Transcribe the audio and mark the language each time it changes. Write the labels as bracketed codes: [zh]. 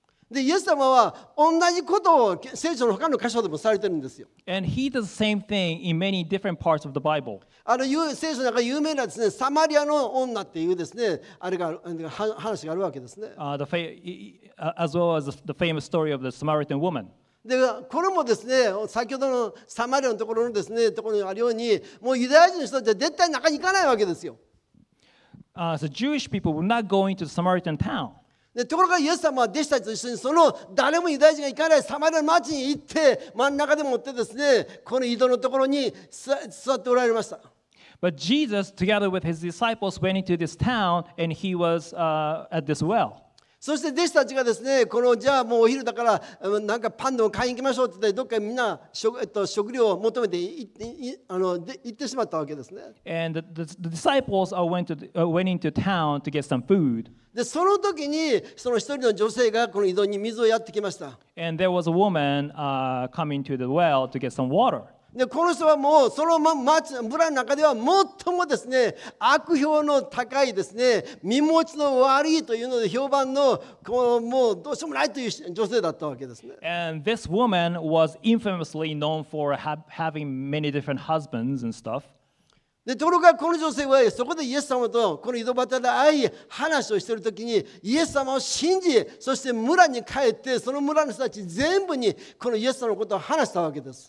[ja] でイエス様は同じことを聖書の他の箇所でもされてるんですよ。 [en] And he does the same thing in many different parts of the Bible. [ja] あの聖書の中で有名なですね、サマリアの女っていうですね、あれが話があるわけですね。 [en] As well as the famous story of the Samaritan woman. [ja] でこれもですね、先ほどのサマリアのところのですね、ところにあるように、もうユダヤ人の人たちは絶対中に行かないわけですよ。 [en] So Jewish people were not going to the Samaritan town. [ja] でところがイエス様は弟子たちと一緒にその誰もユダヤ人が行かないサマリアの町に行って真ん中でもってですねこの井戸のところに座っておられました。 [en] But Jesus together with his disciples went into this town and he was at this well. [ja] そして弟子たちがですねこのじゃあもうお昼だからなんかパンでも買いに行きましょうって言ってどっかみんな 食料を求めて行ってしまったわけですね。 [en] And the disciples went into town to get some food. [ja] でその時にその一人の女性がこの井戸に水をやってきました。 [en] And there was a woman coming to the well to get some water. [ja] でこの人はもうその町村の中では最もですね悪評の高いですね身持ちの悪いというので評判のこうもうどうしようもないという女性だったわけですね。 [en] And this woman was infamously known for having many different husbands and stuff. [ja] でところがこの女性はそこでイエス様とこの井戸端で会い話をしているときにイエス様を信じそして村に帰ってその村の人たち全部にこのイエス様のことを話したわけです。